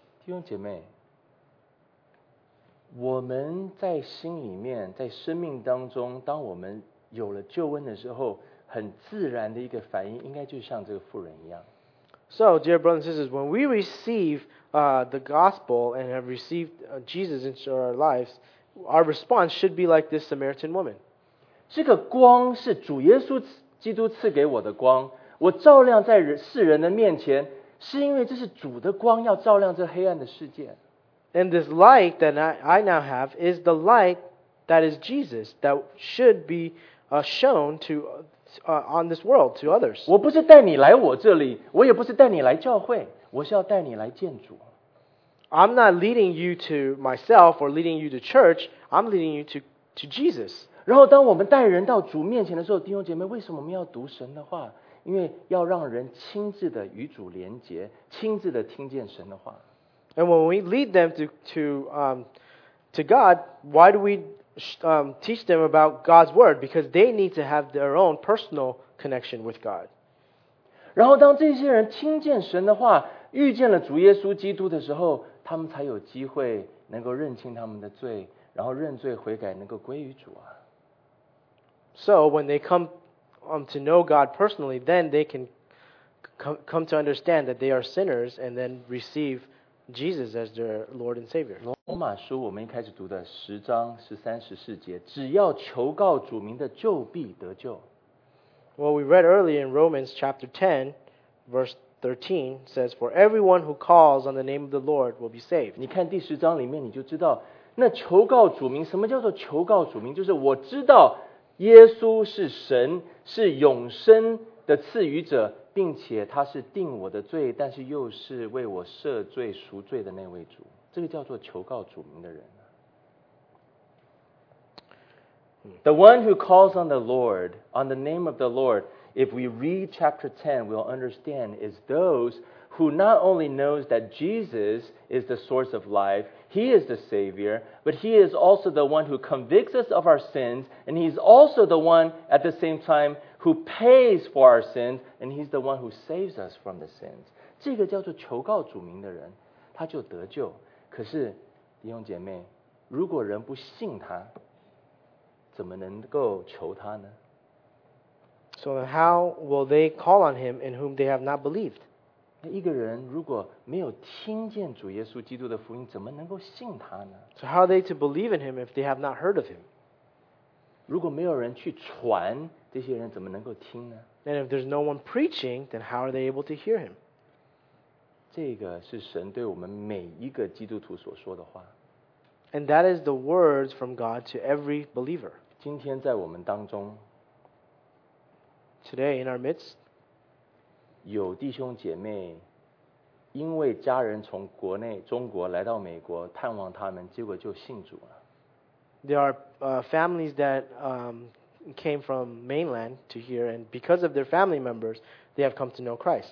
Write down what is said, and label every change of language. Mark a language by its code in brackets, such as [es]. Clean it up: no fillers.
[zh] 弟兄姐妹，我们在心里面，在生命当中，当我们有了救恩的时候，很自然的一个反应，应该就像这个妇人一样。 [en] So, dear brothers and sisters, when we receive the gospel and have received Jesus into our lives, our response should be like this Samaritan woman. [zh] 这个光是主耶稣基督赐给我的光，我照亮在世人的面前，是因为这是主的光要照亮这黑暗的世界。 [en] And this light that I now have is the light that is Jesus that should be shown to on this world to others. [zh] 我不是带你来我这里，我也不是带你来教会，我是要带你来见主。 [en] I'm not leading you to myself or leading you to church. I'm leading you to Jesus. [zh] 然后当我们带人到主面前的时候，弟兄姐妹，为什么我们要读神的话？因为要让人亲自的与主连结，亲自的听见神的话。 [en] And when we lead them to God, why do we teach them about God's word? Because they need to have their own personal connection with God. [zh] 然后当这些人听见神的话，遇见了主耶稣基督的时候，他们才有机会能够认清他们的罪，然后认罪悔改，能够归于主啊。 [en] So when they come to know God personally, then they can come to understand that they are sinners and then receive Jesus as their Lord and Savior. [zh] 罗马书我们一开始读的十章十三十四节，只要求告主名的就必得救。 [en] Well, we read earlier in Romans chapter 10, verse 13 says, "For everyone who calls on the name of the Lord will be saved." [zh] 你看第十章里面你就知道，那求告主名，什么叫做求告主名？就是我知道耶稣是神，是永生的赐予者，并且他是定我的罪，但是又是为我赦罪赎罪的那位主，这个叫做求告主名的人。 [en] The one who calls on the Lord, on the name of the Lord, if we read chapter 10, we'll understand is those who not only knows that Jesus is the source of life, He is the Savior, but He is also the one who convicts us of our sins, and He's also the one at the same time who pays for our sins, and He's the one who saves us from the sins. [zh] 这个叫做求告主名的人，他就得救。可是，弟兄姐妹，如果人不信他，怎么能够求他呢？ [en] So how will they call on Him in whom they have not believed? [zh] 一个人如果没有听见主耶稣基督的福音，怎么能够信他呢？ [en] So how are they to believe in Him if they have not heard of Him? [zh] 如果没有人去传，这些人怎么能够听呢？ [en] And if there's no one preaching, then how are they able to hear him? [zh] 这个是神对我们每一个基督徒所说的话。 [en] And that is the words from God to every believer. [zh] 今天在我们当中， [en] Today in our midst, [zh] 有弟兄姐妹因为家人从国内中国来到美国探望他们，结果就信主了。 [en] There are families that came from mainland to here, and because of their family members, they have come to know Christ.